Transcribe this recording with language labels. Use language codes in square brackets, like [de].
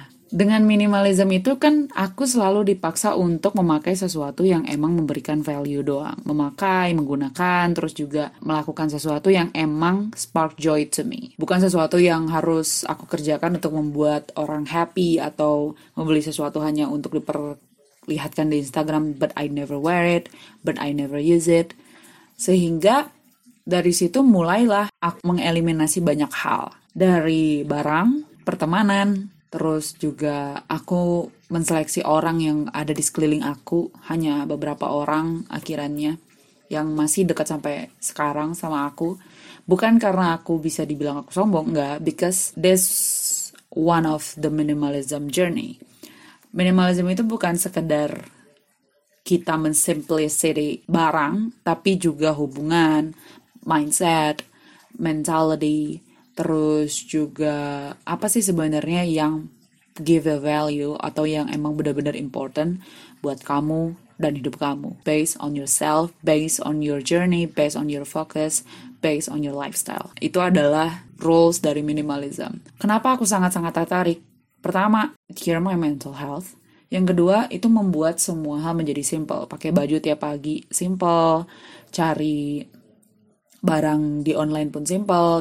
[id] Dengan minimalism itu kan aku selalu dipaksa untuk memakai sesuatu yang emang memberikan value doang. Memakai, menggunakan, terus juga melakukan sesuatu yang emang [en] spark joy to me. [id] Bukan sesuatu yang harus aku kerjakan untuk membuat orang happy atau membeli sesuatu hanya untuk diperlihatkan di Instagram. [en] But I never wear it, but I never use it. [id] Sehingga dari situ mulailah aku mengeliminasi banyak hal. Dari barang, pertemanan, terus juga aku menseleksi orang yang ada di sekeliling aku. Hanya beberapa orang akhirannya yang masih dekat sampai sekarang sama aku. Bukan karena aku bisa dibilang aku sombong, enggak. [en] Because this one of the minimalism journey. [id] Minimalism itu bukan sekedar kita mensimplicity barang, tapi juga hubungan, mindset, mentality, terus juga apa sih sebenarnya yang [en] give a value [id] atau yang emang benar-benar important buat kamu dan hidup kamu. [en] Based on yourself, based on your journey, based on your focus, based on your lifestyle. [id] Itu adalah rules dari minimalism. Kenapa aku sangat-sangat tertarik? Pertama, [en] cure my mental health. [id] Yang kedua, itu membuat semua hal menjadi simple. Pakai baju tiap pagi, simple. Cari barang di online pun simple.